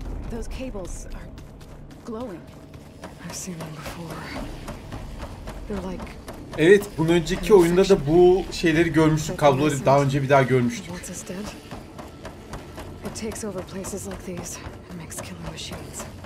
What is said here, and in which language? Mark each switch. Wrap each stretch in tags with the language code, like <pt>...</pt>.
<en>Those cables are glowing. I've seen them before. They're like...</en> <tr>Evet, bunun önceki oyunda da bu şeyleri görmüştük. Kabloları daha önce bir daha görmüştük.</tr> <en>It takes over places like these and makes killing machines.</en>